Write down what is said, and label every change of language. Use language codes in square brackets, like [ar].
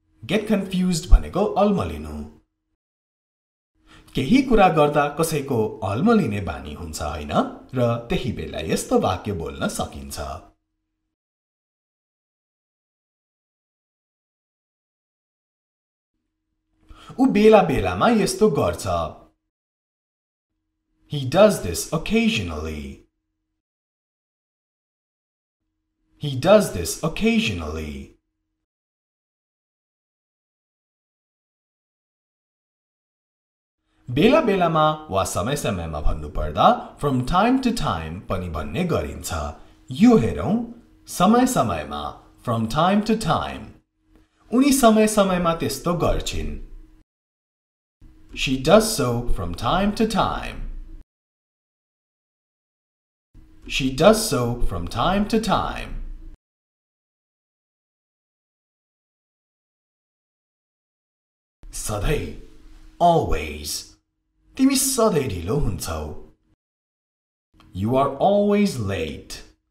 [ne] Get confused भनेको अल्मलिनु केही कुरा गर्दा कसैको अल्मलिने बानी हुन्छ हैन र त्यही बेला यस्तो वाक्य बोल्न सकिन्छ उ बेला बेलामा यस्तो गर्छ [en] He does this occasionally. He does this occasionally. [ne] बेला बेलामा वा समय समयमा भन्नु पर्दा [en] from time to time [ne] पनि भन्ने गरिन्छ यो हेरौं समय समयमा from time to time उनी समय समयमा त्यस्तो गर्छिन् [en] She does so from time to time. She does so from time to time. [ne] सधैं always तिमी सधैं ढिलो हुन्छौ [en] You are always late.